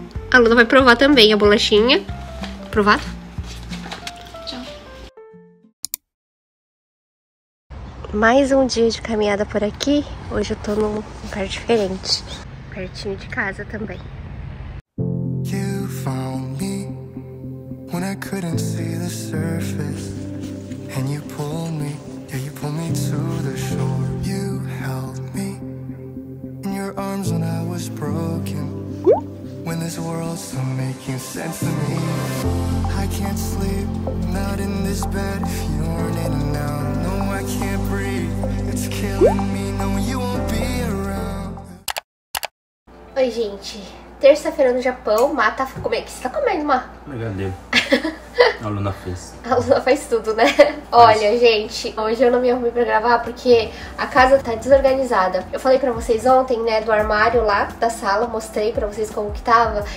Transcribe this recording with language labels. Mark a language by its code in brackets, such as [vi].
[pt] A Luna vai provar também a bolachinha. Provado? Tchau. Mais um dia de caminhada por aqui. Hoje eu tô num lugar diferente. Pertinho de casa também. [en] You found me when I couldn't see the surface. And you pulled me. Yeah, you pulled me to the shore. You held me in your arms when I was broken. When this world's still making sense to me, I can't sleep, not in this bed. If you aren't in and out, no, I can't breathe. It's killing me, no, you won't be around. [pt] Oi, gente. Terça-feira no Japão, Mata, como é que você tá comendo, Má? Obrigado. A Luna fez. A Luna faz tudo, né? Olha, gente, hoje eu não me arrumei pra gravar porque a casa tá desorganizada. Eu falei pra vocês ontem, né, do armário lá da sala, mostrei pra vocês como que tava.